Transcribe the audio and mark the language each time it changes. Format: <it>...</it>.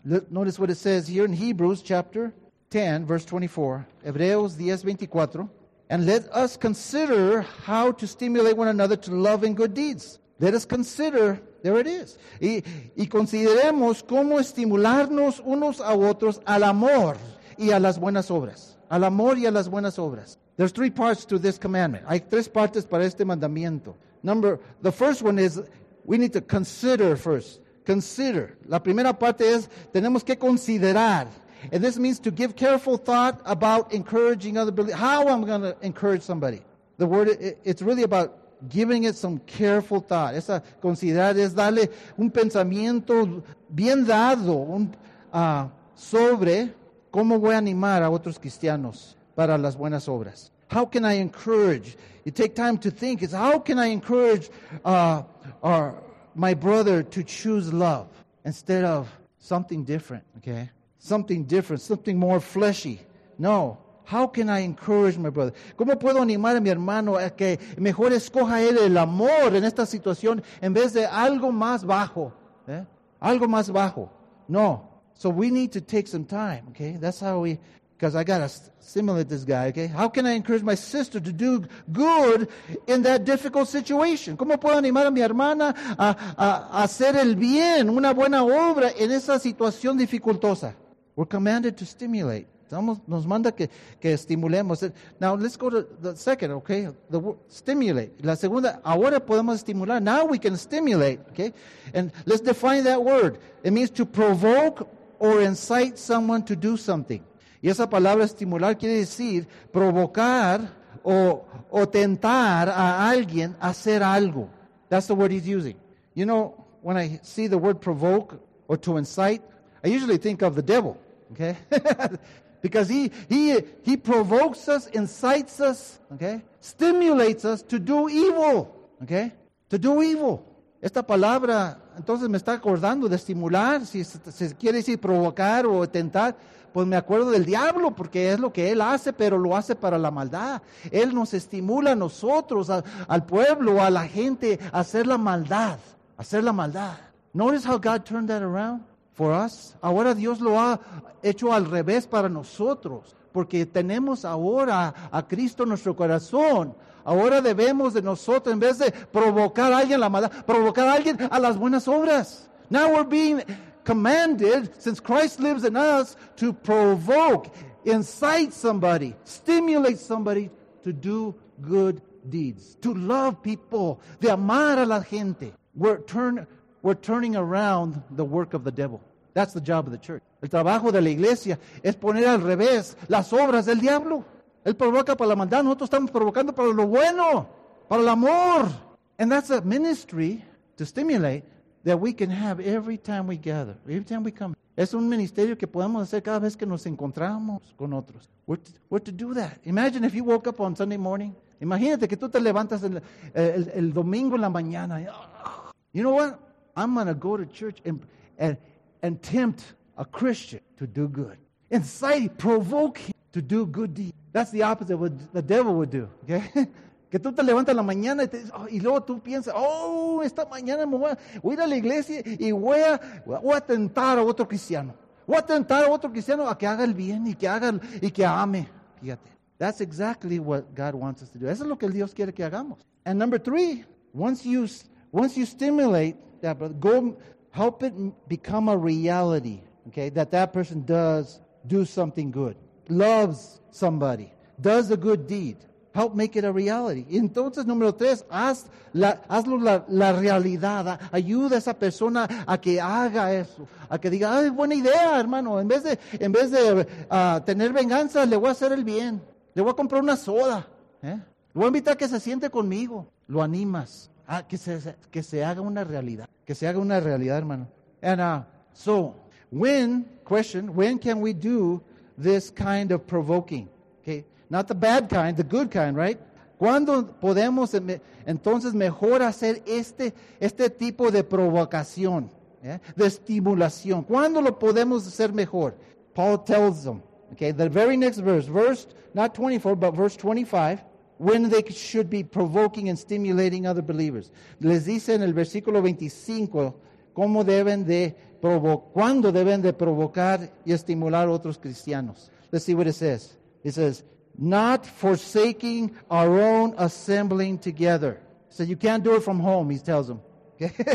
<en>Notice what it says here in Hebrews chapter 10, verse 24. Hebreos 10, 24. And let us consider how to stimulate one another to love and good deeds. Let us consider, there it is.</en> <es>Y consideremos cómo estimularnos unos a otros al amor y a las buenas obras. Al amor y a las buenas obras.</es> <en>There's three parts to this commandment.</en> <es>Hay tres partes para este mandamiento.</es> <en>The first one is, we need to consider first. Consider.</en> <es>La primera parte es, tenemos que considerar.</es> <en>And this means to give careful thought about encouraging other believers. How am I going to encourage somebody? The word, it's really about giving it some careful thought.</en> <es>Esa considerar es darle un pensamiento bien dado sobre cómo voy a animar a otros cristianos para las buenas obras.</es> <en>How can I encourage? You take time to think. It's how can I encourage my brother to choose love instead of something different, okay? Something different, something more fleshy. No. How can I encourage my brother?</en> <es>¿Cómo puedo animar a mi hermano a que mejor escoja él el amor en esta situación en vez de algo más bajo?</es> <en>¿Eh?</en> <es>Algo más bajo.</es> <en>No. So we need to take some time, okay? That's how we... Because I got to stimulate this guy, okay? How can I encourage my sister to do good in that difficult situation?</en> <es>¿Cómo puedo animar a mi hermana a hacer el bien, una buena obra en esa situación dificultosa?</es> <en>We're commanded to stimulate.</en> <es>Nos manda que estimulemos.</es> <en>Now, let's go to the second, okay? The stimulate.</en> <es>La segunda, ahora podemos estimular.</es> <en>Now we can stimulate, okay? And let's define that word. It means to provoke or incite someone to do something.</en> <es>Y esa palabra estimular quiere decir provocar o tentar a alguien a hacer algo.</es> <en>That's the word he's using. You know, when I see the word provoke or to incite, I usually think of the devil, okay? Because he provokes us, incites us, okay? Stimulates us to do evil, okay? To do evil.</en> <es>Esta palabra, entonces me está acordando de estimular, si quiere decir provocar o tentar, pues me acuerdo del diablo, porque es lo que él hace, pero lo hace para la maldad. Él nos estimula a nosotros, al pueblo, a la gente, a hacer la maldad, a hacer la maldad.</es> <en>Notice how God turned that around for us.</en> <es>Ahora Dios lo ha hecho al revés para nosotros, porque tenemos ahora a Cristo en nuestro corazón. Ahora debemos de nosotros, en vez de provocar a alguien a la maldad, provocar a alguien a las buenas obras.</es> <en>Now we're being commanded, since Christ lives in us, to provoke, incite somebody, stimulate somebody to do good deeds, to love people,</en> <es>de amar a la gente.</es> <en>We're turning around the work of the devil. That's the job of the church.</en> <es>El trabajo de la iglesia es poner al revés las obras del diablo. Él provoca para la maldad, nosotros estamos provocando para lo bueno, para el amor.</es> <en>And that's a ministry to stimulate that we can have every time we gather, every time we come.</en> <es>Es un ministerio que podemos hacer cada vez que nos encontramos con otros.</es> <en>We're to do that. Imagine if you woke up on Sunday morning.</en> <es>Imagínate que tú te levantas el domingo en la mañana.</es> <en>You know what? I'm going to go to church and tempt a Christian to do good. Incite, provoke him to do good deeds. That's the opposite of what the devil would do, okay?</en> <es>Que tú te levantas la mañana y, te, oh, y luego tú piensas, oh, esta mañana me voy a ir a la iglesia y voy a tentar a otro cristiano. Voy a tentar a otro cristiano a que haga el bien y que ame. Fíjate.</es> <en>That's exactly what God wants us to do.</en> <es>Eso es lo que Dios quiere que hagamos.</es> <en>And number three, once you stimulate that brother, go help it become a reality, okay, that person does something good. Loves somebody, does a good deed, help make it a reality.</en> <es>Entonces, número tres, hazlo la realidad, ayuda a esa persona a que haga eso, a que diga, ay, buena idea, hermano, en vez de tener venganza, le voy a hacer el bien, le voy a comprar una soda, ¿eh? Lo voy a invitar a que se siente conmigo, lo animas, a que se haga una realidad, que se haga una realidad, hermano.</es> <en>And when can we do this kind of provoking, okay? Not the bad kind, the good kind, right?</en> <es>¿Cuándo podemos entonces mejor hacer este tipo de provocación, yeah? De estimulación? ¿Cuándo lo podemos hacer mejor?</es> <en>Paul tells them, okay, the very next verse, not 24, but verse 25, when they should be provoking and stimulating other believers.</en> <es>Les dice en el versículo 25, ¿cómo deben de cuándo deben de provocar y estimular a otros cristianos?</es> <en>Let's see what it says. It says, not forsaking our own assembling together. So you can't do it from home, he tells them. Okay?</en>